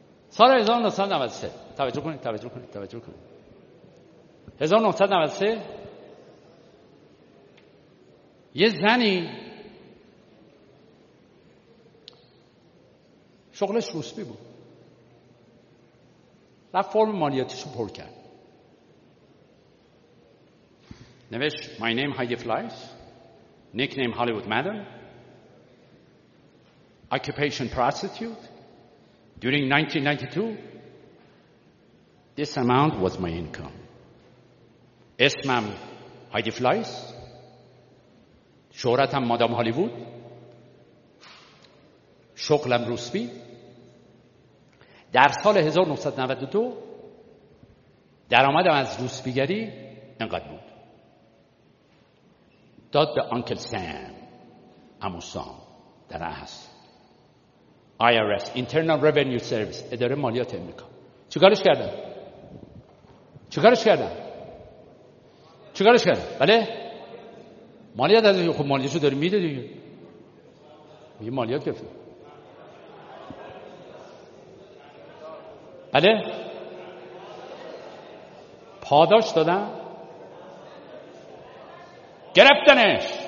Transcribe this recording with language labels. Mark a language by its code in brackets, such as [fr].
[fa] سال 1993، توجه کنید، توجه کنید، توجه کنید. 1993 یه زنی شغلش روسبی بود، رفت فرم مالیاتیشو پر کرد، نوشت [en] My name Heidi Fleiss, nickname Hollywood Madam, occupation prostitute. During 1992, this amount was my income. [fa] اسمم هایدی فلایس، شهرتم مادام هالیوود، شغلم روسبی. در سال 1992 درآمدم از روسبیگری اینقدر بود. داد به آنکل سام، عمو سام در اصل. IRS Internal Revenue Service اداره مالیات امریکا. چیکارش کردن؟ چیکارش کردن؟ چیکارش کردن؟ بله؟ مالیات از خب مالیاتشو داری میده دیگه. یه مالیات گرفت. بله؟ پاداش دادن؟ گرفتنش.